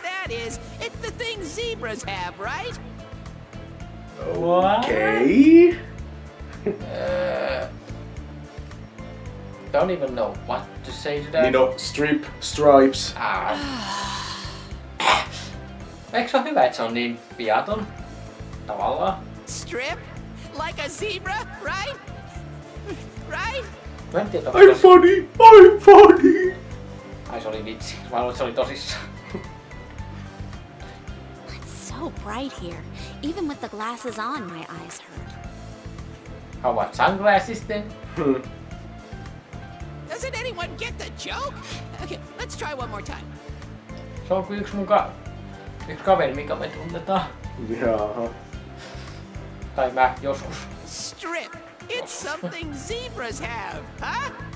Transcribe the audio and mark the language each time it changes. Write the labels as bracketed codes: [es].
[en] Is it's the thing zebras have, right? Okay. Don't even know what to say to that. You know, strip stripes. [fi] Eikö se ole hyvä, että se on niin viaton tavallaan? [en] Strip like a zebra, right? Right? [fi] Mä en tiedä, [en] I'm funny. I'm funny. [fi] Ai se oli vitsi. Mä luulen, se oli tosissaan. [en] So bright here. Even with the glasses on, my eyes hurt. How about sunglasses then? Doesn't anyone get the joke? Okay, let's try one more time. [fi] Se on kuin yksi kaveri, mikä me tunnetaan. Jaaha. Tai mä joskus. [en] Strip. It's something zebras have, huh?